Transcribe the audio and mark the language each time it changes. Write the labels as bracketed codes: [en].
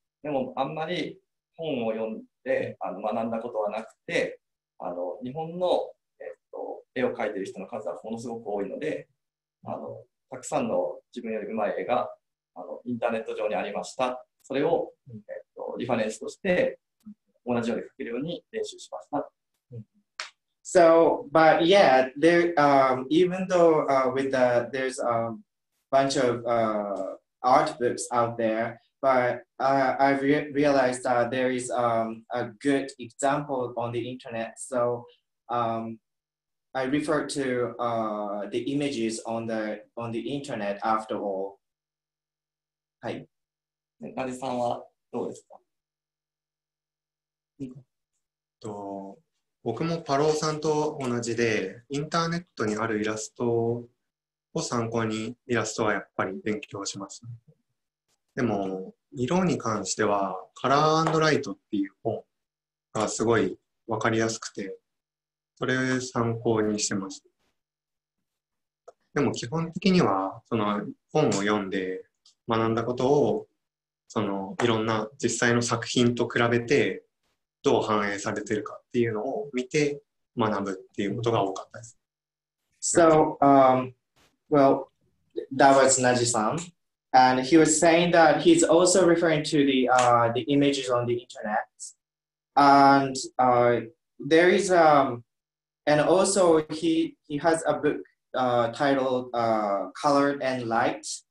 [ja] でもあんまり本を読んで学んだことはなくて、日本の絵を描いてる人の数はものすごく多いので、あのたくさんの自分より上手い絵があのインターネット上にありました。それを、リファレンスとして同じように描けるように練習しました。 [en] So, but yeah, there, even though with the, there's a bunch of art books out there, but I realized that there is a good example on the internet, soI refer to the images on the internet after all. [ja] はい。なでさんはどうですか？僕もパローさんと同じで、インターネットにあるイラストを参考にイラストはやっぱり勉強します。でも、色に関しては、カラー&ライトっていう本がすごいわかりやすくて、それを参考にしてました。でも基本的にはその本を読んで学んだことをそのいろんな実際の作品と比べてどう反映されてるかっていうのを見て学ぶっていうことが多かったです。 [en] So, well, that was Naji-san. And he was saying that he's also referring to the images on the internet. And there is And also, he has a book titled Colored and Light.